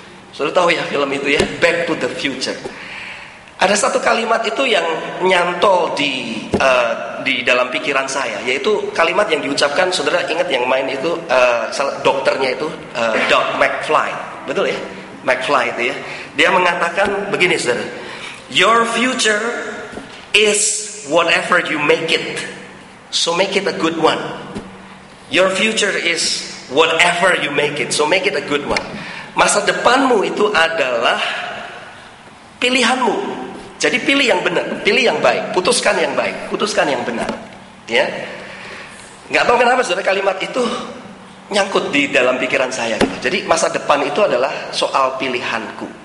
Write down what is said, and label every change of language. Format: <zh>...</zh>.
<id>Saudara tahu ya film itu ya, Back to the Future. Ada satu kalimat itu yang nyantol di dalam pikiran saya, yaitu kalimat yang diucapkan, saudara ingat yang main itu dokternya itu Doc McFly, betul ya, McFly itu ya. Dia mengatakan begini saudara,</id> <en>"Your future is whatever you make it, so make it a good one. Your future is whatever you make it, so make it a good one."</en> <id>Masa depanmu itu adalah pilihanmu. Jadi pilih yang benar, pilih yang baik, putuskan yang baik, putuskan yang benar. Ya, nggak tahu kenapa saudara kalimat itu nyangkut di dalam pikiran saya. Jadi masa depan itu adalah soal pilihanku.</id>